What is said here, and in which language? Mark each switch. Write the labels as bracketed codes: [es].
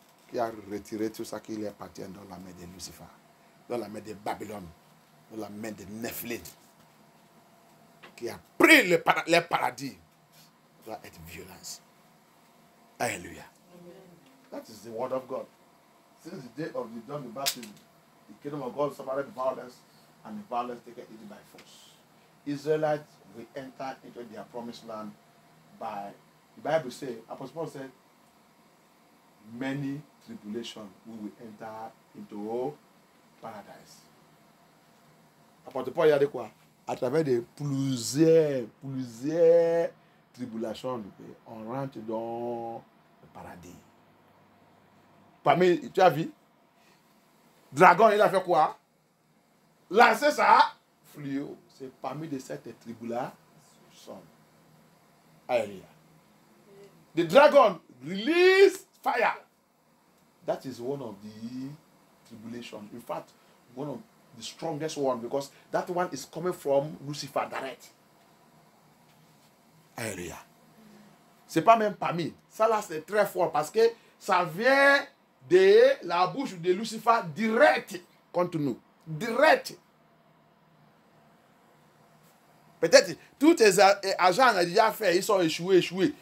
[fr] Qui a retiré tout ça qui lui appartient dans la main de Lucifer, dans la main de Babylone, dans la main de Nephilim, qui a pris le paradis, doit être violence. [en] Alléluia. That is the word of God. Since the day of the John the Baptist, the kingdom of God suffered violence, and the violence taken it by force. Israelites will enter into their promised land by, the Bible says, Apostle Paul said, many tribulation, we will enter into paradise. [fr] Apporte pas, il y a de quoi? À travers de plusieurs tribulations, on rentre dans le paradis. Parmi, tu as vu? Dragon, il a fait quoi? Lancer ça? Fléau. C'est parmi de cette tribulation. Alléluia. [en] The dragon release fire. That is one of the tribulations. In fact, one of the strongest one, because that one is coming from Lucifer direct. [fr] Alléluia. C'est pas même parmi. Ça là, c'est très fort parce que ça vient de la bouche de Lucifer direct contre nous. Direct. Peut-être tous tes agents ont déjà fait, ils sont échoués.